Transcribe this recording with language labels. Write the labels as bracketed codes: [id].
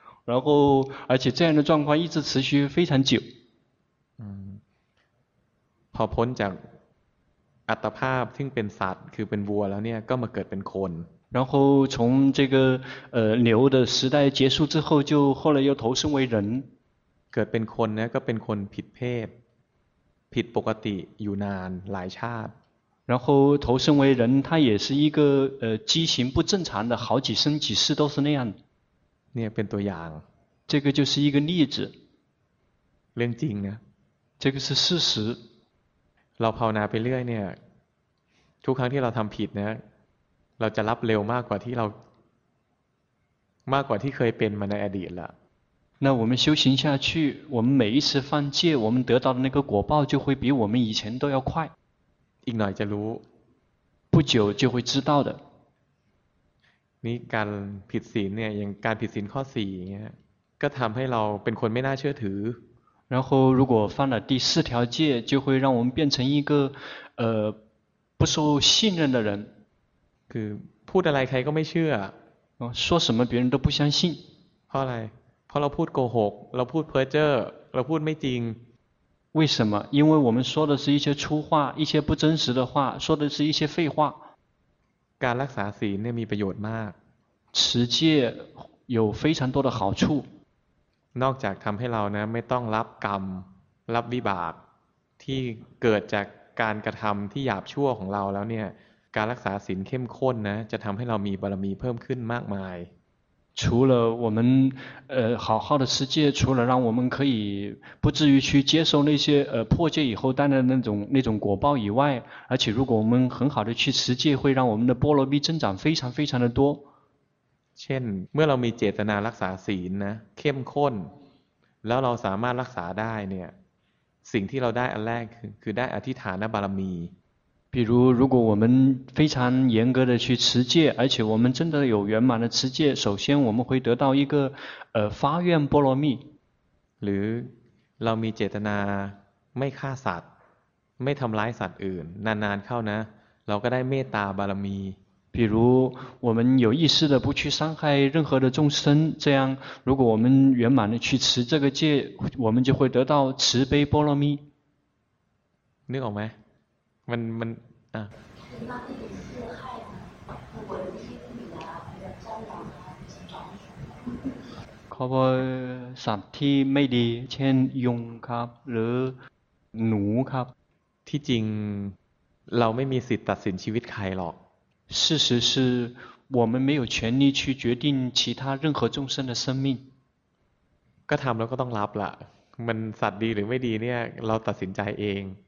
[zh] 然后而且这样的状况一直持续非常久 [th] พอพ้นจากอัตภาพที่เป็นสัตว์คือเป็นวัวแล้วเนี่ยก็มาเกิดเป็นคน [zh] 然后从这个牛的时代结束之后就后来又投生为人 [th] เกิดเป็นคนนะก็เป็นคนผิดเพศผิดปกติอยู่นานหลายชาติ [zh] 然后投生为人他也是一个畸形不正常的好几生几世都是那样 [th] เนี่ยเป็นตัวอย่าง [zh] 这个就是一个例子 [th] เรื่องจริงนะ [zh] 这个是事实 [th] เราภาวนาไปเรื่อยเนี่ยทุกครั้งที่เราทำผิดนะเราจะรับเร็วมากกว่าที่เคยเป็นมาในอดีตละ [zh] 那我们修行下去我们每一次犯戒我们得到的那个果报就会比我们以前都要快 [th] อีกหน่อยจะรู้ [zh] 不久就会知道的 [th] นี่การผิดศีลเนี่ยอย่างการผิดศีลข้อ4เงี้ยก็ทำให้เราเป็นคนไม่น่าเชื่อถือ [zh] 然后如果犯了第四条戒就会让我们变成一个不受信任的人 [th] คือพูดอะไรใครก็ไม่เชื่ [zh] อ说什么别人都不相信 [th] เพราะอะไรเพราะเราพูดโกหกเราพูดเพ้อเจ้อเราพูดไม่จริง [zh] 为什么因为我们说的是一些粗话一些不真实的话说的是一些废话 [th] การรักษาศีลเนี่ยมีประโยชน์มาก [zh] 持戒有非常多的好处 [th] นอกจากทำให้เรานะไม่ต้องรับกรรมรับวิบากที่เกิดจากการกระทำที่หยาบชั่วของเราแล้วเนี่ยการรักษาศีลเข้มข้นนะจะทำให้เรามีบารมีเพิ่มขึ้นมากมาย [zh] 除了我们好好的持戒除了让我们可以不至于去接受那些破戒以后带来的那种果报以外而且如果我们很好的去持戒会让我们的波罗蜜增长非常非常的多 [th] เช่นเมื่อเรามีเจตนารักษาศีลนะเข้มข้นแล้วเราสามารถรักษาได้เนี่ยสิ่งที่เราได้อันแรกคือได้อธิษฐานบารมี [zh] 比如如果我们非常严格的去持戒而且我们真的有圆满的持戒首先我们会得到一个发愿波罗蜜 [th] หรือเรามีเจตนาไม่ฆ่าสัตว์ไม่ทำร้ายสัตว์อื่นนานๆเข้านะเราก็ได้เมตตาบารมี [zh] 比如我们有意识的不去伤害任何的众生这样如果我们圆满的去持这个戒我们就会得到慈悲波罗蜜 [th] นึกออกไหมมัน ครับสัตว์ที่ไม่ดีเช่นยุงครับหรือหนูครับ ที่จริง เราไม่มีสิทธิ์ตัดสินชีวิตใครหรอก [zh] 事实是我们没有权利去决定其他任何众生的生命 [th] ก็ทำแล้วก็ต้องรับล่ะมันสัตว์ดีหรือไม่ดีเนี่ยเราตัดสินใจเอง